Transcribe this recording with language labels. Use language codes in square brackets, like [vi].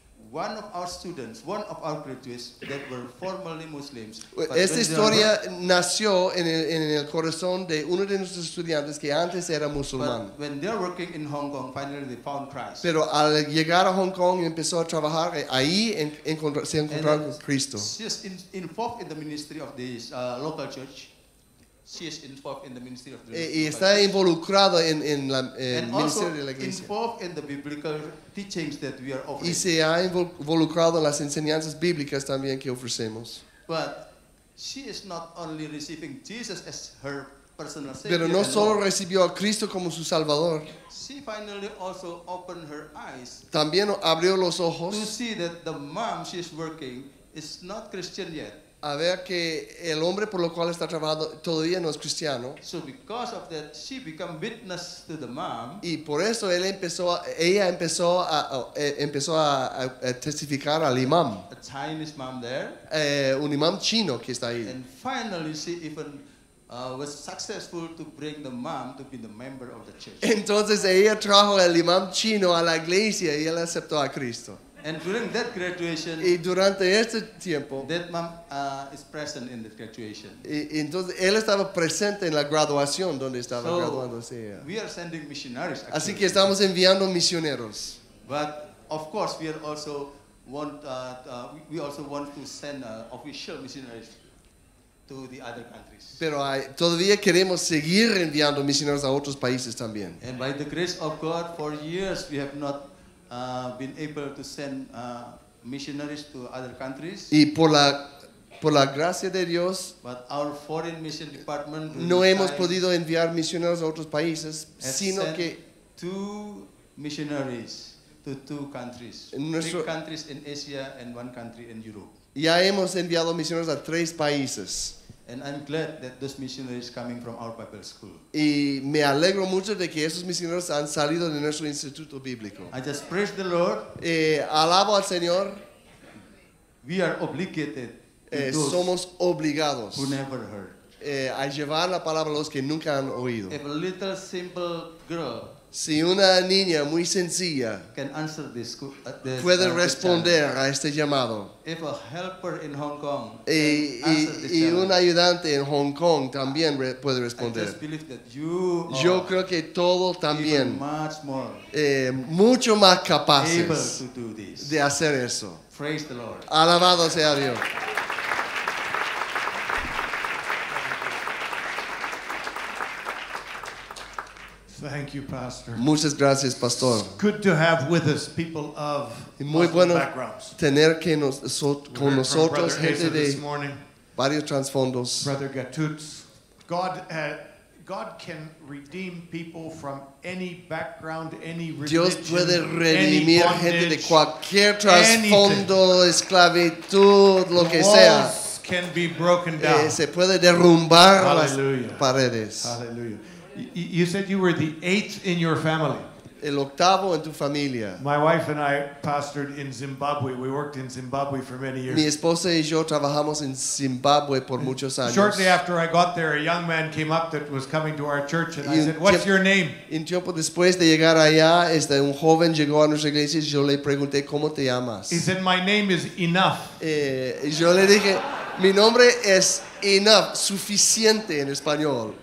[en] One of our students, one of our graduates that were formerly Muslims. [es] Esta historia nació en el corazón de uno de nuestros estudiantes que antes era musulmán. [en] But when they are working in Hong Kong, finally they found Christ. [es] Pero al llegar a Hong Kong y empezó a trabajar, ahí se encontraron con Cristo. [en] She's involved in the ministry of this local church. She is involved in the ministry of the [es] Lord. Y está involucrado en la ministerio de la iglesia. [en] And also involved in the biblical teachings that we are offering. [es] Y se ha involucrado en las enseñanzas bíblicas también que ofrecemos. [en] But she is not only receiving Jesus as her personal Savior. [es] Pero no solo [en] Lord, [es] recibió a Cristo como su Salvador. [en] She finally also opened her eyes. [es] También abrió los ojos. [en] To see that the mom she is working is not Christian yet. [es] A ver que el hombre por lo cual está trabajando todavía no es cristiano. [en] So because of that, she became witness to the mom. [es] Y por eso ella empezó a testificar al imam. [en] A Chinese mom there. [es] Un imam chino que está ahí. [en] And finally, she even was successful to bring the mom to be the member of the church. [es] Entonces ella trajo al imam chino a la iglesia y él aceptó a Cristo. [en] And during that graduation, [es] y durante este tiempo, [en] that mom is present in the graduation. [es] Y entonces él estaba presente en la graduación donde estaba [en] so, [es] graduándose. [en] We are sending missionaries. Actually. [es] Así que estamos enviando misioneros. [en] But of course, we are also want to send official missionaries to the other countries. [es] Pero todavía queremos seguir enviando misioneros a otros países también. [en] And by the grace of God, for years we have not been able to send missionaries to other countries. [es] Y por la gracia de Dios, [en] but our foreign mission department [es] no hemos podido enviar misioneros a otros países, sino que [en] two missionaries to two countries, three countries in Asia and one country in Europe. [es] Ya hemos enviado misioneros a tres países. [en] And I'm glad that those missionaries coming from our Bible school. [es] Y me alegro mucho de que esos misioneros han salido de nuestro instituto bíblico. [en] I just praise the Lord. [es] Alabo al Señor. [en] We are obligated. [es] Somos obligados. [en] Who never heard. [es] A llevar la palabra a los que nunca han oído. [en] If a little simple girl. [es] Si una niña muy sencilla [en] can answer this, [es] puede responder a este llamado. [en] If a helper in Hong Kong [es] y un ayudante en Hong Kong también puede responder. [en] I just believe that you [es] yo creo que todo también [en] much more [es] mucho más capaces [en] able to do this. [es] De hacer eso. [en] Praise the Lord. [es] Alabado sea Dios. [en] Thank you, Pastor. [es] Muchas gracias, Pastor. [en] It's good to have with us people of [es] muy bueno [en] Muslim backgrounds. [es] Tener que nos, so, con nosotros gente de [en] this morning, [es] varios trasfondos. [en] Brother Gatutz, God can redeem people from any background, any religion, [es] Dios puede redimir [en] any bondage, [es] gente de cualquier trasfondo, esclavitud, lo que sea. [en] Can be broken down. [es] Se puede derrumbar [en] hallelujah [es] las paredes. [en] Hallelujah. You said you were the eighth in your family. [es] el octavo en tu familia. [en] My wife and I pastored in Zimbabwe. We worked in Zimbabwe for many years. [es] Mi esposa y yo trabajamos en Zimbabwe por muchos años. [en] Shortly after I got there, a young man came up that was coming to our church, and I said, "What's your name?" [es] Un tiempo después de llegar allá, un joven llegó a nuestra iglesia y yo le pregunté, "¿Cómo te llamas?" [en] He said, "My name is Enough." [es] Yo le dije, "Mi nombre es Enough, suficiente en español."